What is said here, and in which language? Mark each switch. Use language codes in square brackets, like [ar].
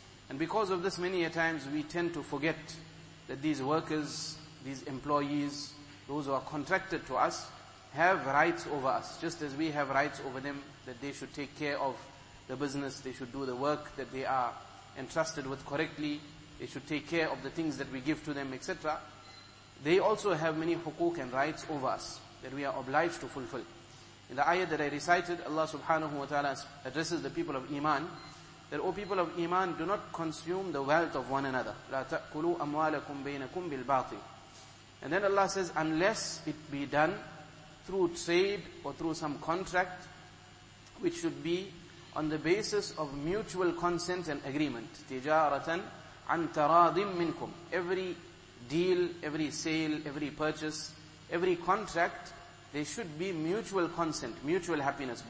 [en] And because of this, many a times we tend to forget that these workers, these employees, those who are contracted to us, have rights over us, just as we have rights over them, that they should take care of the business, they should do the work that they are entrusted with correctly, they should take care of the things that we give to them, etc. They also have many hukuk and rights over us that we are obliged to fulfill. In the ayah that I recited, Allah subhanahu wa ta'ala addresses the people of Iman, that, O people of Iman, do not consume the wealth of one another. [ar] لا تأكلوا أموالكم بينكم بالباطل. [en] And then Allah says, unless it be done through trade or through some contract, which should be on the basis of mutual consent and agreement. [ar] تجارةً عن تراضٍ منكم. [en] Every deal, every sale, every purchase, every contract, there should be mutual consent, mutual happiness.